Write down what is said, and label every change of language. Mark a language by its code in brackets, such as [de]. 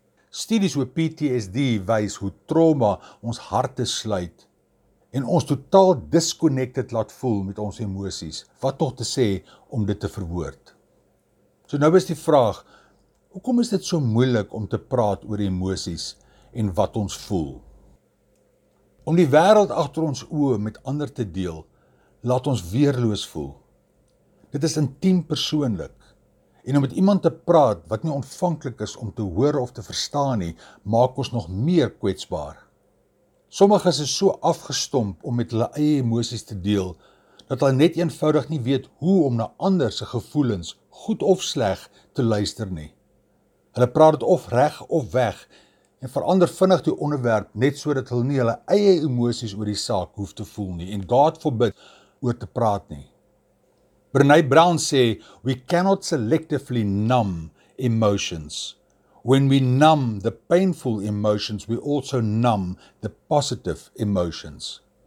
[af] Studies oor PTSD wys hoe trauma ons harte sluit en ons totaal disconnected laat voel met ons emosies, wat tog te sê om dit te verwoord. So nou is die vraag, hoekom is dit so moeilik om te praat oor emosies en wat ons voel? Om die wêreld agter ons oë met ander te deel, laat ons weerloos voel. Dit is intiem persoonlik. En om met iemand te praat wat nie ontvanklik is om te hoor of te verstaan nie, maak ons nog meer kwetsbaar. Sommiges is so afgestomp om met hulle eie emosies te deel, dat hulle net eenvoudig nie weet hoe om na ander se gevoelens, goed of sleg, te luister nie. Hulle praat dit of reg of weg en verander vinnig die onderwerp net sodat hulle nie hulle eie emosies oor die saak hoef te voel nie en [en] God forbid [af] oor te praat nie. [en] Brené Brown sê, "We cannot selectively numb emotions. When we numb the painful emotions, we also numb the positive emotions."